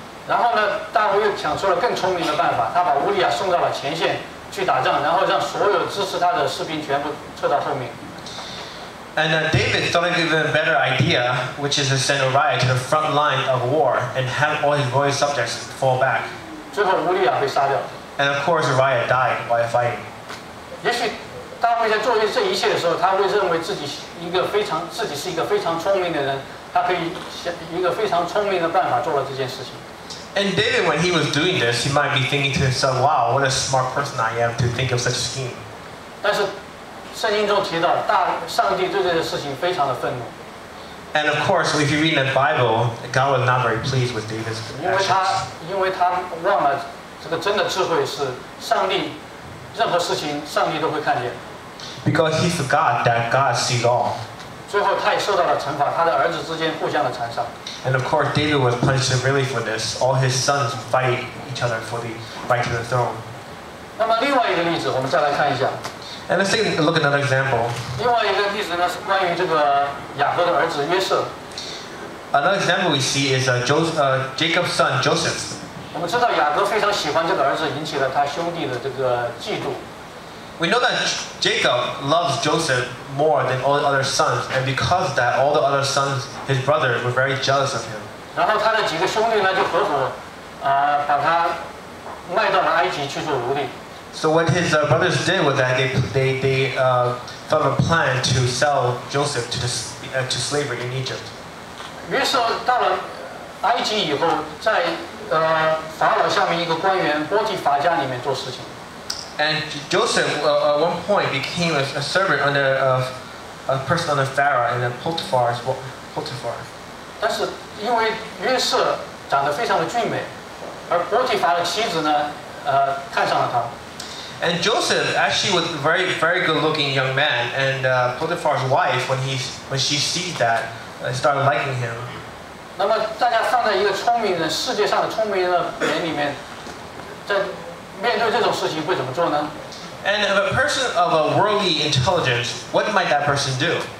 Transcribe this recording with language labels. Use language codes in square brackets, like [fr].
[zh] 然后呢，大卫又想出了更聪明的办法，他把乌利亚送到了前线去打仗，然后让所有支持他的士兵全部撤到后面。 [en] And David thought of even a better idea, which is to send Uriah to the front line of war and have all his loyal subjects fall back. [zh] 最后乌利亚被杀掉。 [en] And of course, Uriah died while fighting. [zh] 也许大卫在做这一切的时候，他会认为自己是一个非常聪明的人，他可以想一个非常聪明的办法做了这件事情。 [en] And David, when he was doing this, he might be thinking to himself, wow, what a smart person I am to think of such a scheme. [zh] 但是圣经中提到上帝对这件事情非常的愤怒。 [en] And of course, if you read the Bible, God was not very pleased with David's actions. [zh] 因为他忘了这个真的智慧是上帝，任何事情上帝都会看见。 [en] Because he forgot that God sees all. [zh] 最后他也受到了惩罚，他的儿子之间互相的残杀。 [en] And of course, David was punished severely for this. All his sons fight each other for the right to the throne. [zh] 那么另外一个例子，我们再来看一下。 [en] And let's take a look at another example. [zh] 另外一个例子呢，是关于这个雅各的儿子约瑟。 [en] Another example we see is Jacob's son Joseph. [zh] 我们知道雅各非常喜欢这个儿子，引起了他兄弟的这个嫉妒。 [en] We know that Jacob loves Joseph more than all the other sons, and because of that, all the other sons, his brothers, were very jealous of him. [zh] 然后他的几个兄弟呢，就合伙，把他卖到了埃及去做奴隶。 [en] So what his brothers did was that they thought of a plan to sell Joseph to slavery in Egypt. [zh] 约瑟到了，埃及以后在法老下面一个官员波提法家里面做事情。 [en] And Joseph at one point became a servant under a person under Pharaoh in Potiphar. 但是因为约瑟长得非常的俊美，而波提法的妻子呢，看上了他。 And Joseph actually was a very, very good looking young man. And Potiphar's wife, when she sees that, started liking him. And if a person of a worldly intelligence, what might that person do?